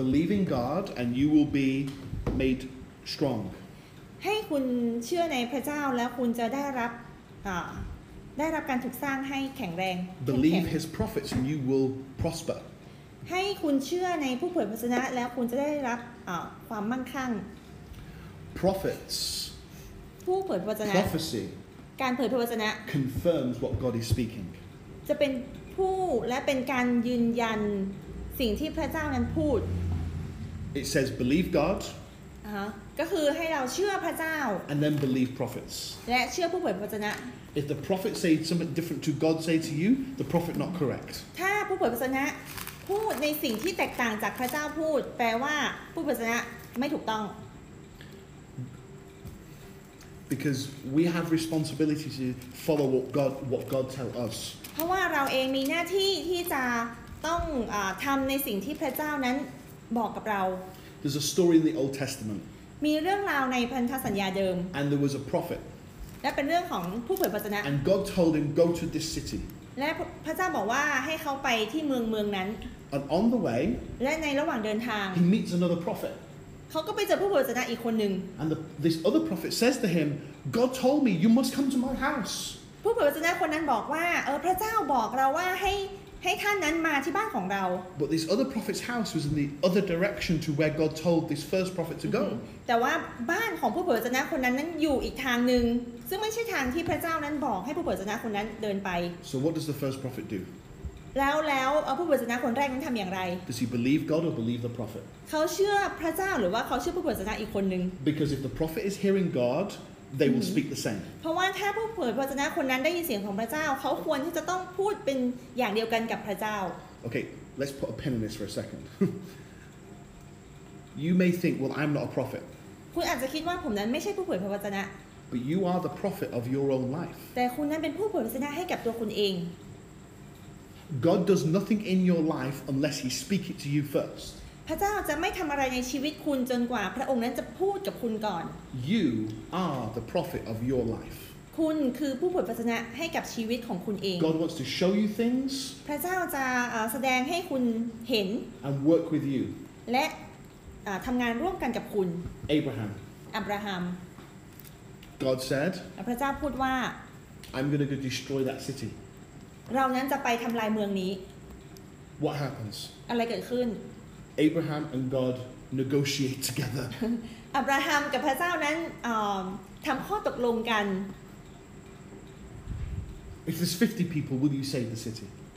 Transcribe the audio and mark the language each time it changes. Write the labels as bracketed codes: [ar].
[en] Believe in God and you will be made strong [th] ให้คุณเชื่อในพระเจ้าแล้วคุณจะได้รับได้รับการถูกสร้างให้แข็งแรง [en] Believe his prophets and you will prosper [th] ให้คุณเชื่อในผู้เผยพระวจนะแล้วคุณจะได้รับความมั่งคั่ง [en] Prophets [th] ผู้เผยพระวจนะ [en] Prophecy [th] การเผยพระวจนะ [en] Confirms what God is speaking [th] จะเป็นผู้และเป็นการยืนยันสิ่งที่พระเจ้านั้นพูด [en] It says believe God [th] ก็คือให้เราเชื่อพระเจ้า [en] And then believe prophets [th] และเชื่อผู้เผยพระวจนะ [en] If the prophet say something different to God say to you, the prophet not correct. [th] ถ้าผู้เผยพระวจนะพูดในสิ่งที่แตกต่างจากพระเจ้าพูดแปลว่าผู้เผยพระวจนะไม่ถูกต้อง [en] Because we have responsibility to follow what God tell us. [th] เพราะว่าเราเองมีหน้าที่ที่จะต้องทำในสิ่งที่พระเจ้านั้นบอกกับเรา [en] There's a story in the Old Testament. [th] มีเรื่องราวในพันธสัญญาเดิม [en] And there was a prophet. [th] และเป็นเรื่องของผู้เผยพระวจนะ [en] And God told him go to this city [th] และพระเจ้าบอกว่าให้เขาไปที่เมืองนั้น [en] And on the way [th] และในระหว่างเดินทาง [en] He meets another prophet [th] เขาก็ไปเจอผู้เผยพระวจนะอีกคนนึง [en] And this other prophet says to him God told me you must come to my house [th] ผู้เผยพระวจนะคนนั้นบอกว่าพระเจ้าบอกเราว่าให้ท่านนั้นมาที่บ้านของเรา [en] But this other prophet's house was in the other direction to where God told this first prophet to go [th] แต่ว่าบ้านของผู้เผยพระวจนะคนนั้นนั้นอยู่อีกทางนึงซึ่งไม่ใช่ทางที่พระเจ้านั้นบอกให้ผู้เผยพระวจนะคนนั้นเดินไป [en] So what does the first prophet do [th] แล้วผู้เผยพระวจนะคนแรกนั้นทําอย่างไร [en] Does he believe God or believe the prophet [th] เขาเชื่อพระเจ้าหรือว่าเขาเชื่อผู้เผยพระวจนะอีกคนนึง [en] Because if the prophet is hearing GodThey will speak the same. [th] เพราะว่าถ้าผู้เผยพระวจนะคนนั้นได้ยินเสียงของพระเจ้าเขาควรที่จะต้องพูดเป็นอย่างเดียวกันกับพระเจ้า [en] Okay, let's put a pin in this for a second. You may think, well, I'm not a prophet. [th] คุณอาจจะคิดว่าผมนั้นไม่ใช่ผู้เผยพระวจนะ [en] But you are the prophet of your own life. [th] แต่คุณนั้นเป็นผู้เผยพระวจนะให้กับตัวคุณเอง [en] God does nothing in your life unless He speaks it to you first. [th] พระเจ้าจะไม่ทำอะไรในชีวิตคุณจนกว่าพระองค์นั้นจะพูดกับคุณก่อน [en] You are the prophet of your life [th] คุณคือผู้เผยพระวจนะให้กับชีวิตของคุณเอง [en] God wants to show you things [th] พระเจ้าจะแสดงให้คุณเห็น [en] and work with you [th] และทำงานร่วมกันกับคุณ [en] อับราฮัม God said [th] พระเจ้าพูดว่า [en] I'm going to go destroy that city [th] เรานั้นจะไปทำลายเมืองนี้ [en] What happens [th] อะไรเกิดขึ้น [en] Abraham and God negotiate together. [th] Abraham กับพระเจ้านั้นทำข้อตกลงกัน [en] If there's 50 people, will you save the city?